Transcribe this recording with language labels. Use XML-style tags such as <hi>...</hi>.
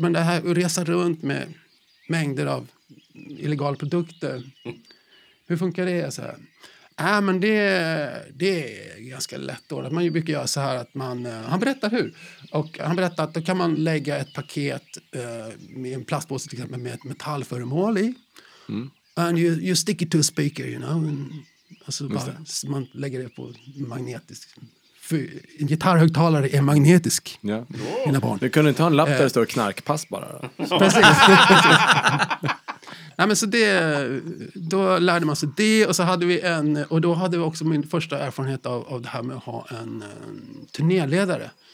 <sv>Men det här att resa runt med mängder av illegala produkter. Hur funkar det? Så här, men det är ganska lätt då. Man brukar göra så här att man, han berättar hur. Och han berättade att då kan man lägga ett paket med en plastpåse till exempel med ett metallföremål i. Mm.</sv> <en>And you stick it to a speaker, you know.</en> <sv>Alltså bara, så man lägger det på magnetisk. För en gitarrhögtalare är magnetisk. Ja. Oh. Mina barn. Du kunde inte ha en lapp där det står knarkpass bara. Precis. Nej, men så det, då lärde man sig det och så hade vi en, och då hade vi också min första erfarenhet av det här med att ha en turnéledare.</sv>